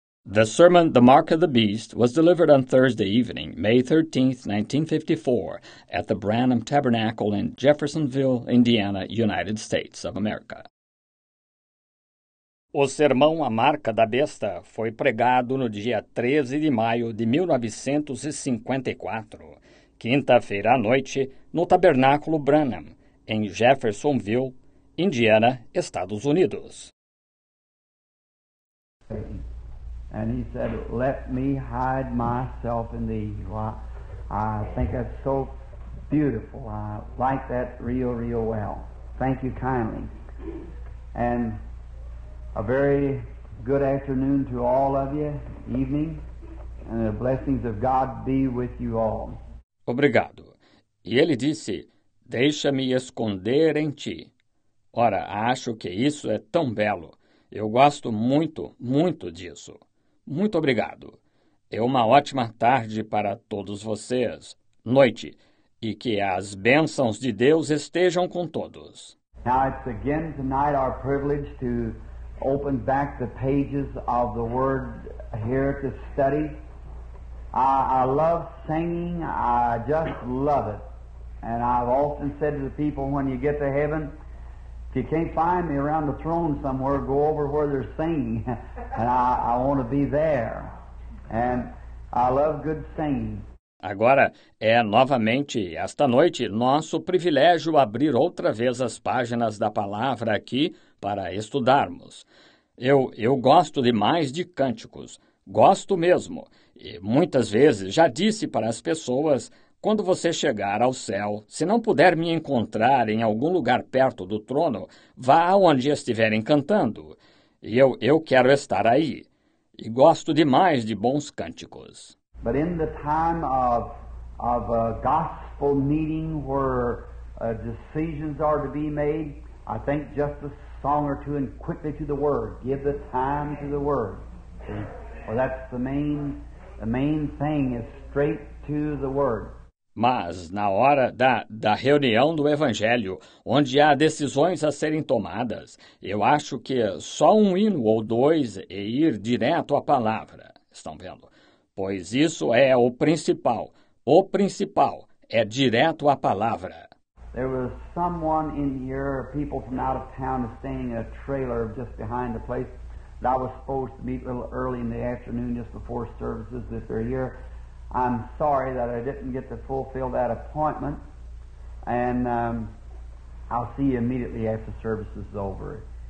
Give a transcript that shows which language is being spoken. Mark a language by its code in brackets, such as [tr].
[en] The sermon, The Mark of the Beast, was delivered on Thursday evening, May 13, 1954, at the Branham Tabernacle in Jeffersonville, Indiana, United States of America. [pt] O sermão A Marca da Besta foi pregado no dia 13 de maio de 1954, quinta-feira à noite, no Tabernáculo Branham, em Jeffersonville, Indiana, Estados Unidos. [en] And he said, let me hide myself in thee. Well, I think that's so beautiful. I like that real, real well. Thank you kindly. And a very good afternoon to all of you, evening, and the blessings of God be with you all. [pt] Obrigado. E ele disse, deixa-me esconder em ti. Ora, acho que isso é tão belo. Eu gosto muito, muito disso. Muito obrigado. É uma ótima tarde para todos vocês. Noite. E que as bênçãos de Deus estejam com todos. [en] Now it's again tonight our privilege to open back the pages of the Word here to study. I love singing. I just love it. And I've often said to the people when you get to heaven, if you can't find me around the throne somewhere, go over where they're singing, and I want to be there. And I love good singing. [pt] Agora, é novamente, esta noite, nosso privilégio abrir outra vez as páginas da palavra aqui para estudarmos. Eu gosto demais de cânticos. Gosto mesmo. E muitas vezes já disse para as pessoas, quando você chegar ao céu, se não puder me encontrar em algum lugar perto do trono, vá aonde estiverem cantando. E eu quero estar aí. E gosto demais de bons cânticos. [en] But in the time of a gospel meeting where decisions are to be made, I think just a song or two and quickly to the Word. Give the time to the Word. Well, that's the main thing is straight to the Word. [pt] Mas na hora da reunião do Evangelho, onde há decisões a serem tomadas, eu acho que só um hino ou dois e ir direto à palavra, estão vendo? Pois isso é o principal. O principal é direto à palavra. [en] There was someone in here, people from out of town, staying in a trailer just behind the place that I was supposed to meet a little early in the afternoon just before services this year. I'm sorry that I didn't get to fulfill that appointment, and I'll see you immediately after service is over.